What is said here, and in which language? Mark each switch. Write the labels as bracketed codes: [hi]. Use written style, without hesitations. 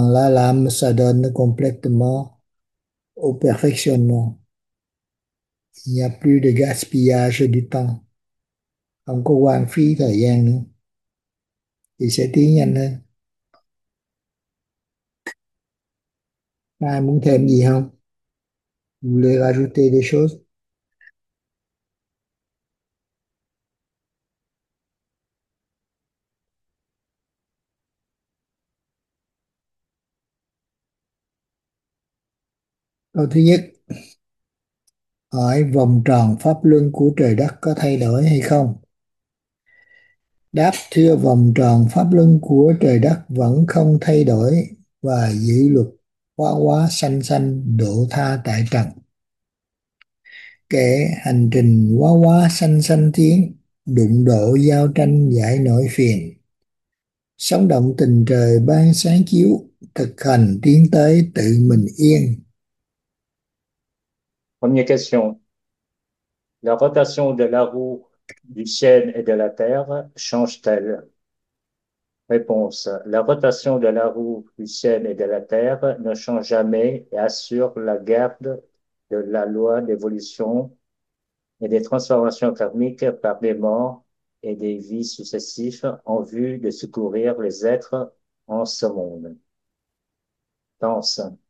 [vi] Làm sa đơn nó [fr] complètement au perfectionnement. Il n'y a plus de gaspillage du temps. [vi] Không có quan phí thời gian nữa thì sẽ tiến nhanh hơn. Ai muốn thêm gì không? [fr] Vous voulez rajouter des choses? [vi] Câu thứ nhất, hỏi vòng tròn pháp luân của trời đất có thay đổi hay không? Đáp, thưa vòng tròn pháp luân của trời đất vẫn không thay đổi và giữ luật hóa hóa sanh sanh độ tha tại trần. Kể hành trình hóa hóa sanh sanh tiến, đụng độ giao tranh giải nỗi phiền. Sống động tình trời ban sáng chiếu, thực hành tiến tới tự mình yên. [fr] Première question. La rotation de la roue, du ciel et de la terre change-t-elle? Réponse. La rotation de la roue, du ciel et de la terre ne change jamais et assure la garde de la loi d'évolution et des transformations karmiques par des morts et des vies successives en vue de secourir les êtres en ce monde. Pense.